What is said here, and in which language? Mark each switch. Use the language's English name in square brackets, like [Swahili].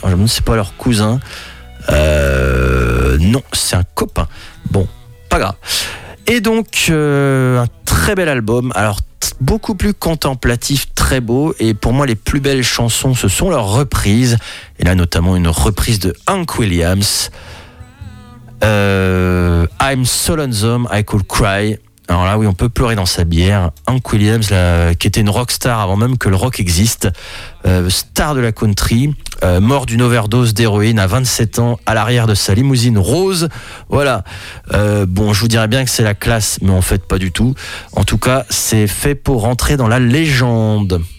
[French] Alors, je ne sais pas leur cousin. Non, c'est un copain. Bon, pas grave. Et donc, un très bel album. Alors, beaucoup plus contemplatif, très beau. Et pour moi, les plus belles chansons, ce sont leurs reprises. Et là, notamment une reprise de Hank Williams. [English] I'm so lonesome, I could cry. [French] Alors là, oui, on peut pleurer dans sa bière. Hank Williams, là, qui était une rock star avant même que le rock existe. Star de la country. Mort d'une overdose d'héroïne à 27 ans à l'arrière de sa limousine rose. Voilà. Bon, je vous dirais bien que c'est la classe, mais en fait, pas du tout. En tout cas, c'est fait pour rentrer dans la légende.